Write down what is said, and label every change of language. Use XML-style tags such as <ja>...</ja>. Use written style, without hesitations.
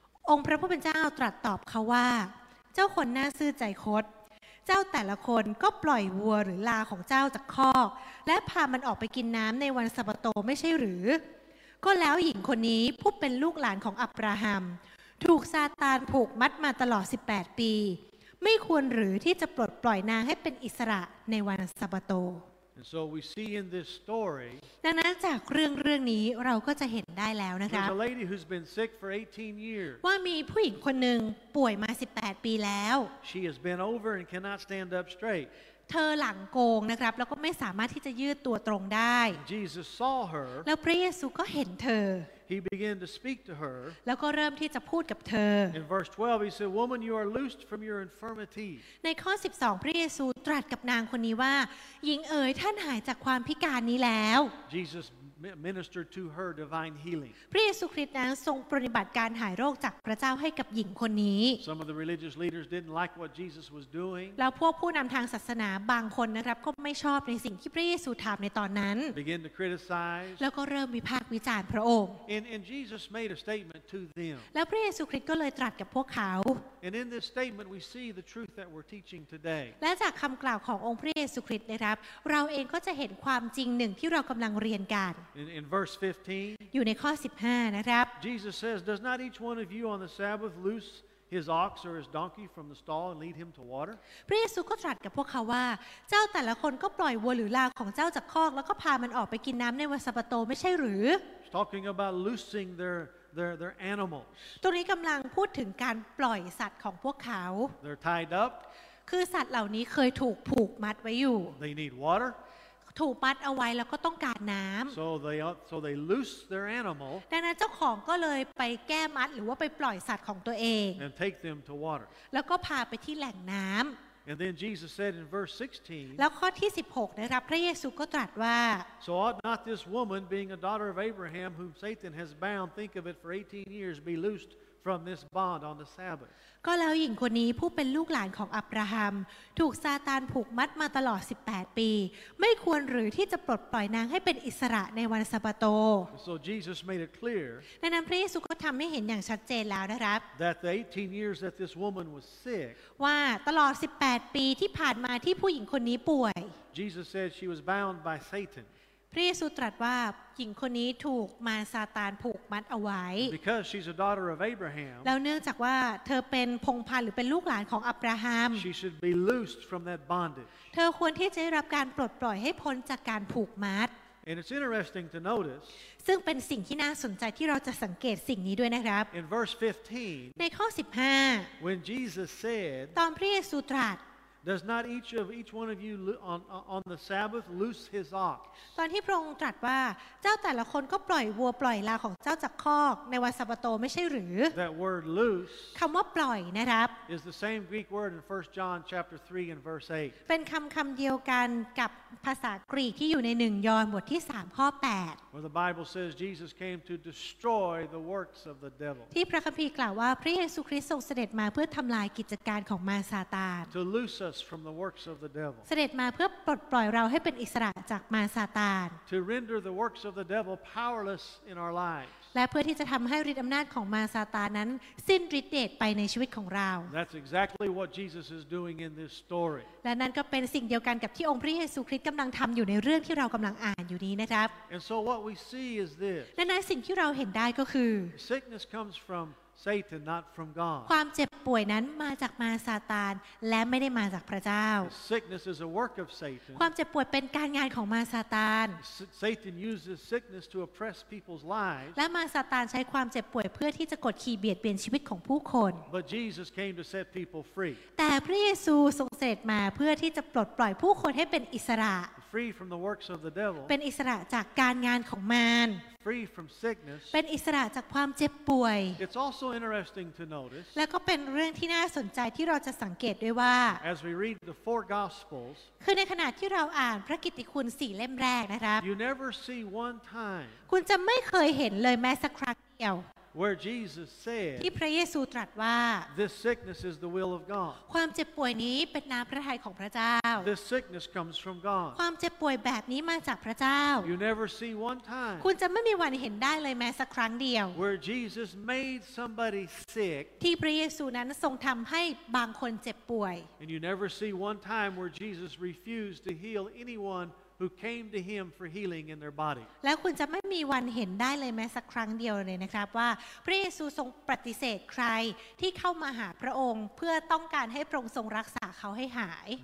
<th>องค์พระผู้เป็นเจ้าตรัสตอบเขาว่าเจ้าคนน่าซื่อใจคดเจ้าแต่ละคนก็ปล่อยวัวหรือลาของเจ้าจากคอกและพามันออกไปกินน้ำในวันซาบาโตไม่ใช่หรือก็แล้วหญิงคนนี้ผู้เป็นลูกหลานของอับราฮัมถูกซาตานผูกมัดมาตลอด18ปีไม่ควรหรือที่จะปลดปล่อยนางให้เป็นอิสระในวันซาบาโต</th> <en>And so we see in this story.</en> <th>ดังนั้นจากเรื่องนี้เราก็จะเห็นได้แล้วนะครับ</th> <en>There's a lady who's been sick for 18 years.</en> <th>ว่ามีผู้หญิงคนนึงป่วยมา18ปีแล้ว</th> <en>She has been over and cannot stand up straight.</en> <th>เธอหลังโกงนะครับแล้วก็ไม่สามารถที่จะยืดตัวตรงได้</th> <en>Jesus saw her.</en> <th>แล้วพระเยซูก็เห็นเธอ</th> <en>He began to speak to her.</en> <th>แล้วก็เริ่มที่จะพูดกับเธอ</th> <en>In verse 12, he said, "Woman, you are loosed from your infirmity."</en> <th>ในข้อ12พระเยซูตรัสกับนางคนนี้ว่าหญิงเอ๋ยท่านหายจากความพิการนี้แล้ว</th> <en>Jesus ministered to her divine healing.</en> <th>พระเยซูคริสต์นั้นทรงปฏิบัติการหายโรคจากพระเจ้าให้กับหญิงคนนี้</th> <en>Some of the religious leaders didn't like what Jesus was doing.</en> <th>แล้วพวกผู้นำทางศาสนาบางคนนะครับก็ไม่ชอบในสิ่งที่พระเยซูทำในตอนนั้น</th> <en>Begin to criticize.</en> <th>แล้วก็เริ่มวิพากษ์วิจารณ์พระองค์</th> <en>And Jesus made a statement to them.</en> <th>แล้วพระเยซูคริสต์ก็เลยตรัสกับพวกเขา</th> <en>And in this statement we see the truth that we're teaching today.</en> <th>และจากคำกล่าวขององค์พระเยซูคริสต์นะครับเราเองก็จะเห็นความจริงหนึ่งที่เรากำลังเรียนกัน</th> <en>In verse 15,</en> <th>อยู่ในข้อ15นะครับ</th> <en>Jesus says, "Does not each one of you on the Sabbath loose his ox or his donkey from the stall and lead him to water?"</en> <th>พระเยซูก็ตรัสกับพวกเขาว่าเจ้าแต่ละคนก็ปล่อยวัวหรือลาของเจ้าจากคอกแล้วก็พามันออกไปกินน้ำในวันซาบาโตไม่ใช่หรือ</th> <en>He's talking about loosing their animals.</en> <th>ตรงนี้กำลังพูดถึงการปล่อยสัตว์ของพวกเขา</th> <en>They're tied up.</en> <th>คือสัตว์เหล่านี้เคยถูกผูกมัดไว้อยู่</th> <en>They need water.</en> <th>ถูกมัดเอาไว้แล้วก็ต้องการน้ำ</th> <en>so they loose their animal</en> <th>ดังนั้นเจ้าของก็เลยไปแก้มัดหรือว่าไปปล่อยสัตว์ของตัวเอง</th> <en>and take them to water</en> <th>แล้วก็พาไปที่แหล่งน้ำ</th> <en>and then Jesus said in verse 16</en> <th>แล้วข้อที่16นะครับพระเยซูก็ตรัสว่า</th> <en>so ought not this woman being a daughter of Abraham whom Satan has bound think of it for 18 years be loosedFrom this bond on the Sabbath.</en> <th>ก็แล้วหญิงคนนี้ผู้เป็นลูกหลานของอับราฮัมถูกซาตานผูกมัดมาตลอด18ปีไม่ควรหรือที่จะปลดปล่อยนางให้เป็นอิสระในวันซาบาโต</th> <en>So Jesus made it clear.</en> <th>ดังนั้นพระเยซูก็ทำให้เห็นอย่างชัดเจนแล้วนะครับ</th> <en>That the 18 years that this woman was sick.</en> <th>ว่าตลอด18ปีที่ผ่านมาที่ผู้หญิงคนนี้ป่วย</th> <en>Jesus said she was bound by Satan.</en> <th>พระเยซูตรัสว่าหญิงคนนี้ถูกมารซาตานผูกมัดเอาไว้</th> <en>Because she's a daughter of Abraham</en> <th>แล้วเนื่องจากว่าเธอเป็นพงพันหรือเป็นลูกหลานของอับราฮัม</th> <en>She should be loosed from that bondage</en> <th>เธอควรที่จะได้รับการปลดปล่อยให้พ้นจากการผูกมัด</th> <en>And it's interesting to notice</en> <th>ซึ่งเป็นสิ่งที่น่าสนใจที่เราจะสังเกตสิ่งนี้ด้วยนะครับ</th> <en>In verse 15</en> <th>ในข้อ15</th> <en>When Jesus said</en> <th>ตอนพระเยซูตรัส</th> <en>Does not each one of you on the Sabbath loose his ox?</en> <th>ตอนที่พระองค์ตรัสว่าเจ้าแต่ละคนก็ปล่อยวัวปล่อยลาของเจ้าจากคอกในวันซาบาโตไม่ใช่หรือ</th> <en>That word loose</en> <th>คำว่าปล่อยนะครับ</th> <en>is the same Greek word in 1 John chapter 3 and verse 8</en> <th>เป็นคำเดียวกันกับภาษากรีกที่อยู่ใน1ยอห์นบทที่3ข้อ8</th> <en>Where the Bible says Jesus came to destroy the works of the devil</en> <th>ที่พระคัมภีร์กล่าวว่าพระเยซูคริสต์ทรงเสด็จมาเพื่อทำลายกิจการของมารซาตาน</th> <en>To loose usFrom the works of the devil.</en> <th>เสด็จมาเพื่อปลดปล่อยเราให้เป็นอิสระจากมารซาตาน</th> <en>To render the works of the devil powerless in our lives.</en> <th>และเพื่อที่จะทำให้ฤทธิ์อำนาจของมารซาตานนั้นสิ้นฤทธิ์เดชไปในชีวิตของเรา</th> <en>That's exactly what Jesus is doing in this story.</en> <th>และนั่นก็เป็นสิ่งเดียวกันกับที่องค์พระเยซูคริสต์กำลังทำอยู่ในเรื่องที่เรากำลังอ่านอยู่นี้นะครับ</th> <en>And so what we see is this.</en> <th>และนั่นสิ่งที่เราเห็นได้ก็คือ</th> <en>Sickness comes fromSatan, not from God.</en> <th>ความเจ็บป่วยนั้นมาจากมารซาตานและไม่ได้มาจากพระเจ้า</th> <en>Sickness is a work of Satan.</en> <th>ความเจ็บป่วยเป็นการงานของมารซาตาน</th> <en>Satan uses sickness to oppress people's lives.</en> <th>และมารซาตานใช้ความเจ็บป่วยเพื่อที่จะกดขี่เบียดเบียนชีวิตของผู้คน</th> <en>But Jesus came to set people free.</en> <th>แต่พระเยซูทรงเสด็จมาเพื่อที่จะปลดปล่อยผู้คนให้เป็นอิสระ</th> <en>Free from the works of the devil.</en> <th>เป็นอิสระจากการงานของมาร</th> <en>Free from sickness.</en> <th>เป็นอิสระจากความเจ็บป่วย</th> <en>It's also interesting to notice.</en> <th>แล้วก็เป็นเรื่องที่น่าสนใจที่เราจะสังเกตด้วยว่า</th> <en>As we read the four gospels.</en> <th>คือในขณะที่เราอ่านพระกิตติคุณ4เล่มแรกนะครับ</th> <en>You never see one time.</en> <th>คุณจะไม่เคยเห็นเลยแม้สักครั้งเดียว</th> <en>Where Jesus said.</en> <th>ที่พระเยซูตรัสว่า</th> <en>This sickness is the will of God.</en> <th>ความเจ็บป่วยนี้เป็นน้ำพระทัยของพระเจ้า</th> <en>This sickness comes from God.</en> <th>ความเจ็บป่วยแบบนี้มาจากพระเจ้า</th> <en>You never see one time.</en> <th>คุณจะไม่มีวันเห็นได้เลยแม้สักครั้งเดียว</th> <en>Where Jesus made somebody sick.</en> <th>ที่พระเยซูนั้นทรงทำให้บางคนเจ็บป่วย</th> <en>And you never see one time where Jesus refused to heal anyone. Who came to him for healing in their body?</en> <th>แล้วคุณจะไม่มีวันเห็นได้เลยแม้สักครั้งเดียวเลยนะครับว่าพระเยซูทรงปฏิเสธใครที่เข้ามาหาพระองค์เพื่อต้องการให้พระองค์ทรงรักษาเขาให้หาย</th>